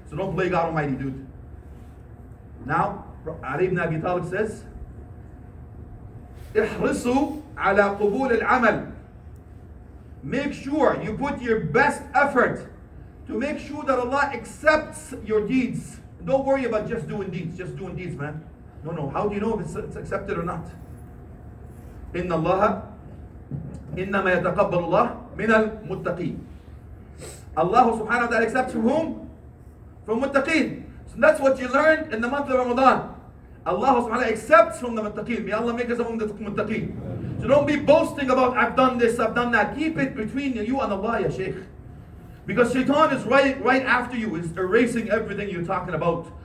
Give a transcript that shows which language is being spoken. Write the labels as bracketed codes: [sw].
[en] So don't play God Almighty, dude. Now, Ali ibn Abi Talib says, [ar] احرصوا على قبول العمل. [en] Make sure you put your best effort to make sure that Allah accepts your deeds. Don't worry about just doing deeds, man. No, how do you know if it's accepted or not? [ar] إن الله إنما يتقبل الله من المتقين. [en] Allah subhanahu wa ta'ala accepts from whom? From muttaqeen. So that's what you learned in the month of Ramadan. Allah subhanahu wa ta'ala accepts from the muttaqeen. May Allah make us among the muttaqeen. So don't be boasting about, I've done this, I've done that. Keep it between you and Allah, ya Shaykh. Because shaitan is right after you, is erasing everything you're talking about.